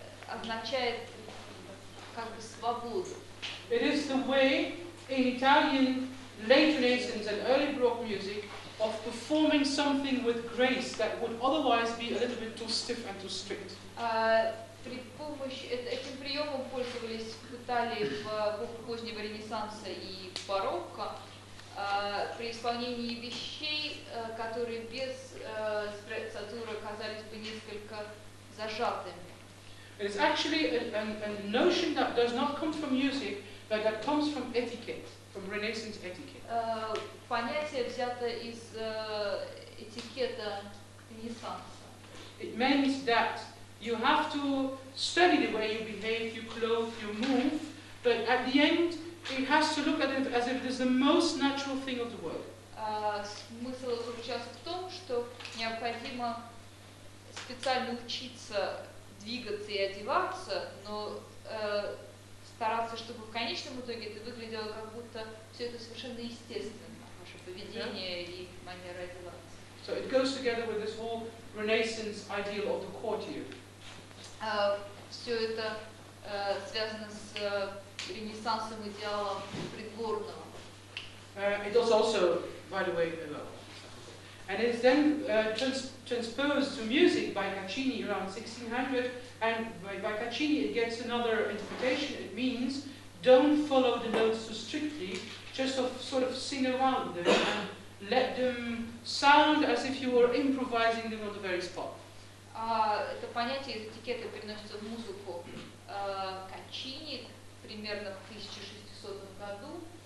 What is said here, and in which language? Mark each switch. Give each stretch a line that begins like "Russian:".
Russian: Означает как бы свободу.
English: It is the way in Italian late Renaissance and early Baroque music of performing something with grace that would otherwise be a little bit too stiff and too strict.
Russian: При помощи этим приемом пользовались в Италии в эпоху позднего Ренессанса и барокко при исполнении вещей, которые без спрессатуры казались бы несколько зажатыми.
English: It's actually a notion that does not come from music, but that comes from etiquette, from Renaissance etiquette.
Russian: Понятие взято из этикета Ренессанса.
English: It means that you have to study the way you behave, you clothe, you move, but at the end it has to look at it as if it is the most natural thing of the world.
Russian: Смысл заключается в том, что необходимо специально учиться двигаться и одеваться, но стараться, чтобы в конечном итоге это выглядело как будто все это совершенно естественно, ваше поведение и манера одеваться.
English: So it goes together with this whole Renaissance ideal of the courtier.
Russian: Все это связано с Ренессансом идеалом придворного.
English: It is also, by the way, and it is then transposed to music by Caccini around 1600. And by Caccini, it gets another interpretation. It means, don't follow the notes too strictly, just sort of sing around them and let them sound as if you were improvising them on the very spot.
Russian: Это понятие из этикета переносится в музыку Caccini примерно в 1600 году.